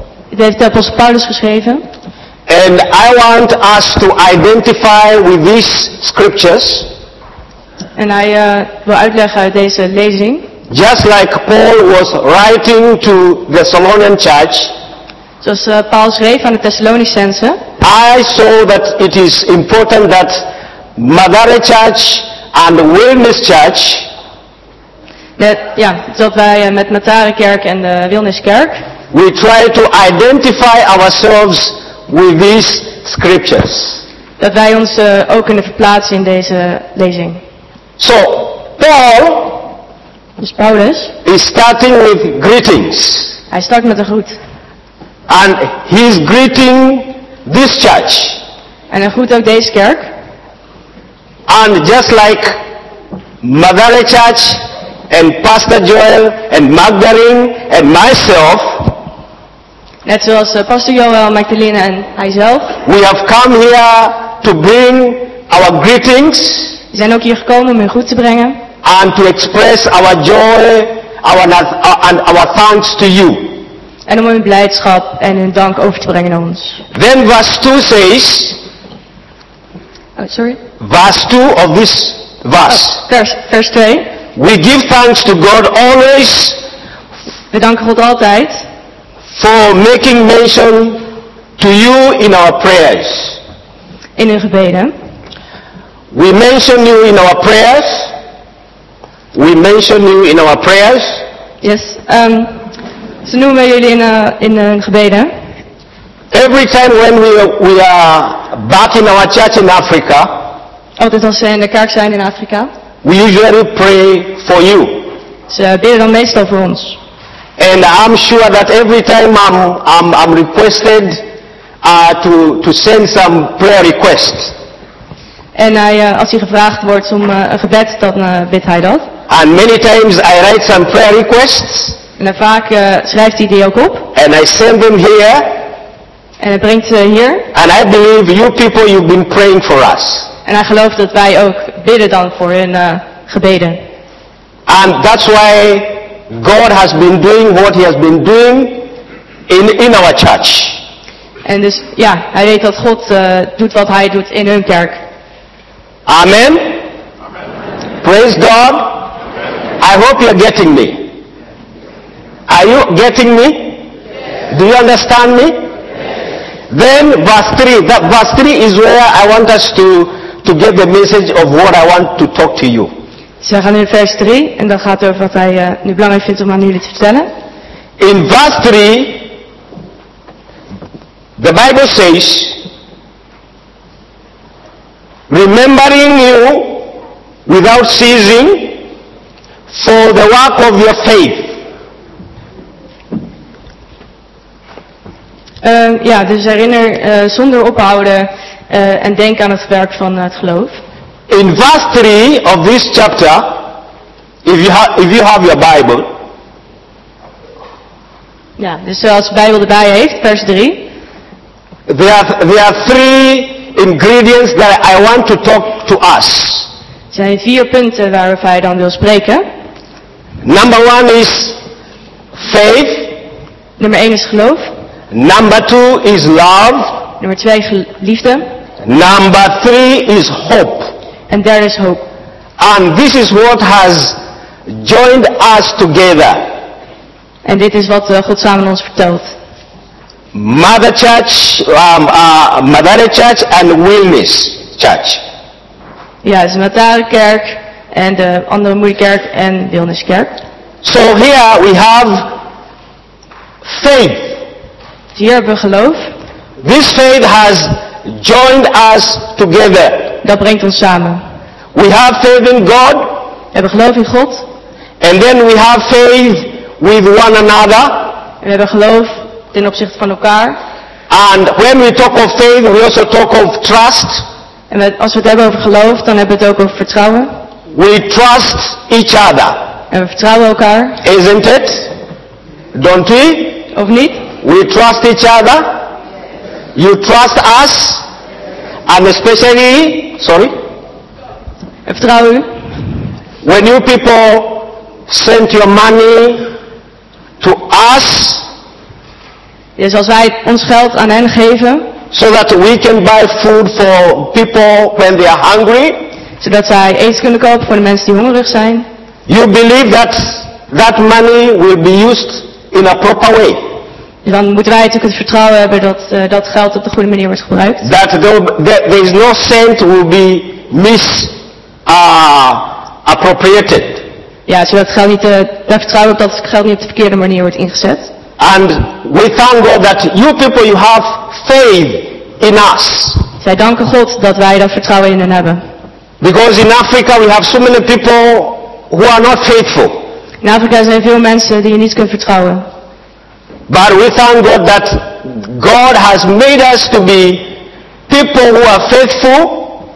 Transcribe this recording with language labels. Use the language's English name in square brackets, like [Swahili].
[Dutch] Dit heeft de Apostel Paulus geschreven. [English] And I want us to identify with these scriptures. [Dutch] En hij wil uitleggen uit deze lezing. [English] Just like Paul was writing to the Thessalonian church. [Dutch] Zoals Paul schreef aan de Thessalonicenzen. [English] I saw that it is important that Madare Church and Wellness Church. [Dutch] Dat wij met Matarenkerk en de Wilniskerk. [English] We try to identify ourselves with these scriptures. [Dutch] Dat wij ons ook kunnen verplaatsen in deze lezing. [English] So, Paul. [Dutch] Dus Paulus. [English] Is starting with greetings. [Dutch] Hij start met een groet. [English] And he's greeting this church. [Dutch] En hij groet ook deze kerk. [English] And just like Madare Church and Pastor Joel and Magdalene and myself. [Dutch] Net zoals Pastor Joel, Magdalene en hijzelf. [English] We have come here to bring our greetings. [Dutch] We zijn ook hier gekomen om hun groet te brengen. [English] And to express our joy, our thanks to you. [Dutch] En om hun blijdschap en hun dank over te brengen aan ons. [English] Then verse 2 says. Oh, sorry. Verse 2 of this verse. [Dutch] Vers 2. [English] We give thanks to God always. [Dutch] We danken God altijd. [English] For making mention to you in our prayers. [Dutch] In uw gebeden. [English] We mention you in our prayers. We mention you in our prayers. Yes. [Dutch] Ze noemen jullie in hun gebeden. [English] Every time when we are back in our church in Africa. [Dutch] Altijd als ze in de kerk zijn in Afrika. [English] We usually pray for you. [Dutch] Ze bidden dan meestal voor ons. [English] And I'm sure that every time I'm requested to send some prayer requests. [Dutch] En als hij gevraagd wordt om een gebed, dan bidt hij dat. [English] And many times I write some prayer requests. [Dutch] En vaak schrijft hij die ook op. [English] And I send them here. [Dutch] En hij brengt ze hier. [English] And I believe you people, you've been praying for us. [Dutch] En hij gelooft dat wij ook bidden dan voor hun gebeden. [English] And that's why God has been doing what he has been doing in our church. [Dutch] En dus ja, hij weet dat God doet wat hij doet in hun kerk. [English] Amen. Praise God. I hope you're getting me. Are you getting me? Yes. Do you understand me? Yes. Then verse 3. That verse 3 is where I want us to get the message of what I want to talk to you. [Dutch] Ze gaan in vers 3 en dan gaat over wat hij nu belangrijk vindt om aan jullie te vertellen. [English] In verse 3, the Bible says, remembering you without ceasing for the work of your faith. [Dutch] Dus herinner zonder ophouden en denk aan het werk van het geloof. [English] In verse 3 of this chapter, if you have your Bible. [Dutch] Ja, dus als de Bijbel erbij heeft, vers 3. [English] There are three ingredients that I want to talk to us. [Dutch] Er zijn vier punten waarover hij dan wil spreken. [English] Number one is faith. [Dutch] Nummer 1 is geloof. [English] Number 2 is love. [Dutch] Nummer 2 is liefde. [English] Number 3 is hope. And there is hope. And this is what has joined us together. [Dutch] En dit is wat God samen ons vertelt. [English] Mother Church, Madare Church and Wilderness Church. [Dutch] Ja, dus Madare Kerk en de andere moederkerk en Wilderness Kerk. [English] So here we have faith. [Dutch] Hier hebben we geloof. [English] This faith has joined us together. [Dutch] Dat brengt ons samen. [English] We have faith in God. [Dutch] We hebben geloof in God. [English] And then we have faith with one another. [Dutch] We hebben geloof ten opzichte van elkaar. [English] And when we talk of faith, we also talk of trust. [Dutch] En als we het hebben over geloof, dan hebben we het ook over vertrouwen. [English] We trust each other. [Dutch] En we vertrouwen elkaar. [English] Isn't it? Don't we? [Dutch] Of niet? [English] We trust each other. You trust us. And especially, sorry. [Dutch] En vertrouw u. [English] When you people send your money to us. [Dutch] Dus als wij ons geld aan hen geven. [English] So that we can buy food for people when they are hungry. [Dutch] Zodat zij eten kunnen kopen voor de mensen die hongerig zijn. [English] You believe that money will be used in a proper way. [Dutch] Dan moeten wij natuurlijk het vertrouwen hebben dat dat geld op de goede manier wordt gebruikt. [English] That there is no cent will be misappropriated. [Dutch] Ja, zodat het geld niet daar vertrouwen op dat het geld niet op de verkeerde manier wordt ingezet. [English] And we thank God that you people you have faith in us. [Dutch] Wij danken God dat wij dat vertrouwen in hen hebben. [English] Because in Africa we have so many people who are not faithful. [Dutch] In Afrika zijn veel mensen die je niet kunt vertrouwen. [English] But we thank God that God has made us to be people who are faithful.